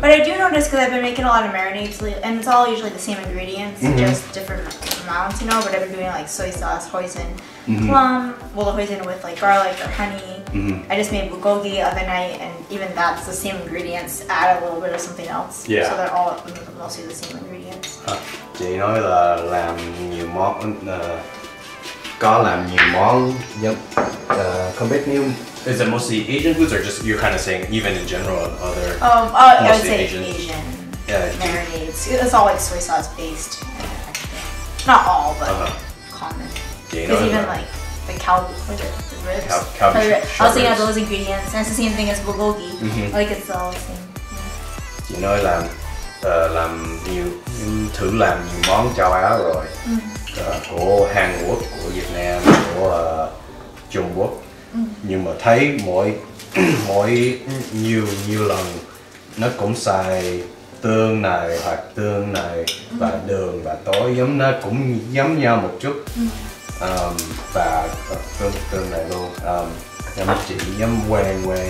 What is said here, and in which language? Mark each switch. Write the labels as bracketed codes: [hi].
[en] But I do notice because I've been making a lot of marinades lately, and it's all usually the same ingredients, just different amounts, you know, but I've been doing like soy sauce, hoisin, plum, well, the hoisin with like garlic or honey. I just made bulgogi the other night, and even that's the same ingredients, add a little bit of something else. Yeah. So they're all mostly the same ingredients. [vi] Chị nói là làm nhiều món, có làm nhiều món, không biết nếu... [en] Is it mostly Asian foods or just you're kind of saying even in general and other... I would say Asian marinades. It's all like soy sauce based. Not all, but common. Because even like the cow, the ribs. I was thinking of those ingredients, and it's the same thing as bulgogi. Like it's all the same. [vi] Chị nói là... làm nhiều thử làm nhiều món châu Á rồi của Hàn Quốc, của Việt Nam, của Trung Quốc, nhưng mà thấy mỗi nhiều lần nó cũng xài tương này hoặc tương này và đường và tối giống nó cũng giống nhau một chút và tương này luôn em chỉ giống quen